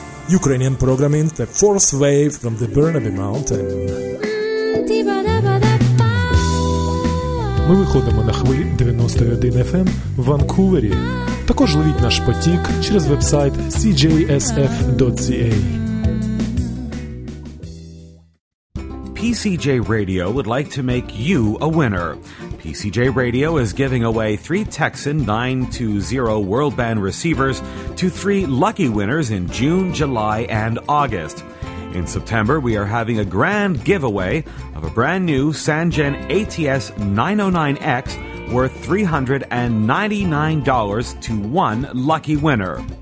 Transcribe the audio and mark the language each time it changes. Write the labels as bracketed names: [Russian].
[English] Ukrainian programming, the fourth wave from the Burnaby Mountain. [Ukrainian] Ми виходимо на хвилі 91 FM в Ванкувері. Також ловіть наш потік через вебсайт cjsf.ca. [English] PCJ Radio would like to make you a winner. PCJ Radio is giving away three Texan 920 World Band receivers to three lucky winners in June, July, and August. In September, we are having a grand giveaway of a brand new Sanjen ATS 909X worth $399 to one lucky winner.